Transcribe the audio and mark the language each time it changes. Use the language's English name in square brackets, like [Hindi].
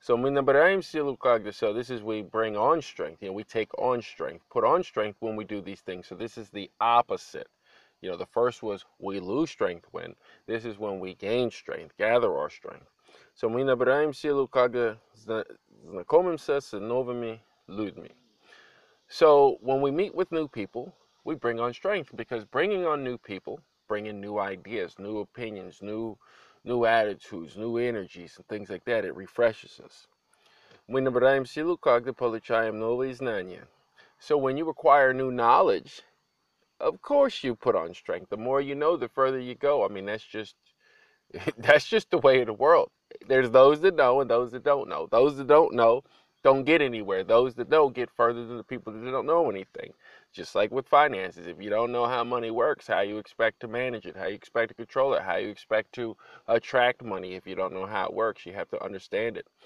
[English] So this is we bring on strength. You know, we take on strength, put on strength when we do these things. So this is the opposite. You know, the first was we lose strength when. This is when we gain strength, gather our strength. [Russian] So мы набираем силу, когда знакомимся с новыми людьми. [English] So when we meet with new people, we bring on strength because bringing on new people bring in new ideas, new opinions, new attitudes, new energies, and things like that. It refreshes us. [Russian] Мы набираем силу, когда получаем новые знания. [English] So when you acquire new knowledge, of course you put on strength. The more you know, the further you go. I mean, that's just the way of the world. There's those that know and those that don't know. Those that don't know don't get anywhere. Those that know get further than the people that don't know anything. Just like with finances, if you don't know how money works, how you expect to manage it, how you expect to control it, how you expect to attract money if you don't know how it works, you have to understand it.